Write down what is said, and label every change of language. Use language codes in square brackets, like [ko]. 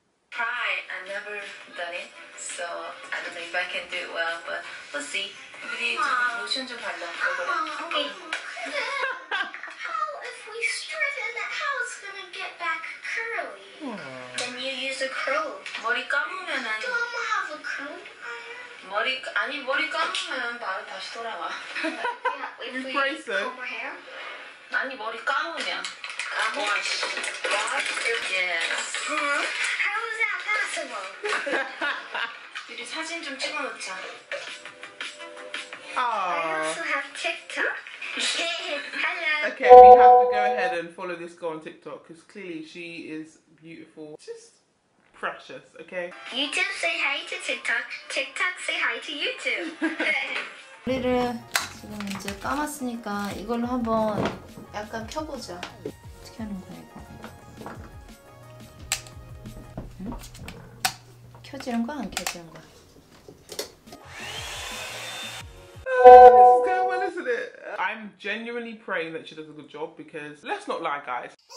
[en] Try, I've never done it, so I don't know if I can do it well, but we'll see. We need to motion to parlo. Okay. How if we straighten that, how it's gonna get back curly? Aww. Then you use a curl. [ko] 머리 감으면 [en] I don't have a curl. [ko] 머리 아니 머리 감으면 바로 다시 돌아와. [en] Okay, we have to go ahead and follow this girl on TikTok because clearly she is beautiful. Just precious, okay? YouTube, say hi to TikTok. TikTok, say hi to YouTube. [ko] 지금 이제 감았으니까 이걸로 한번 약간 펴보자. 어떻게 하는 거야 이거? 응? 켜지는 거야 안 켜지는 거야? [en] This is going well, isn't it? I'm genuinely praying that she does a good job because let's not lie, guys.